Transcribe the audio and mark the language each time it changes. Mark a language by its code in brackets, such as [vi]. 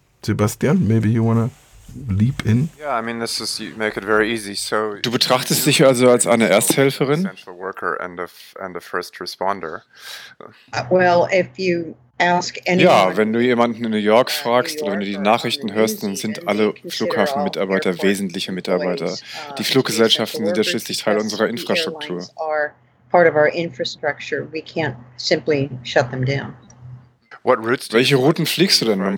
[en] Sebastian, maybe you want to leap in? Yeah, I mean, this is, you make it very easy. [de] So du betrachtest dich also als eine Ersthelferin? [en] Essential worker and a first responder. Well, if you ask anyone, [de] ja, wenn du jemanden in New York fragst oder wenn du die Nachrichten hörst, dann sind alle Flughafenmitarbeiter wesentliche Mitarbeiter. Die Fluggesellschaften sind ja schließlich Teil unserer Infrastruktur. Welche Routen fliegst du denn?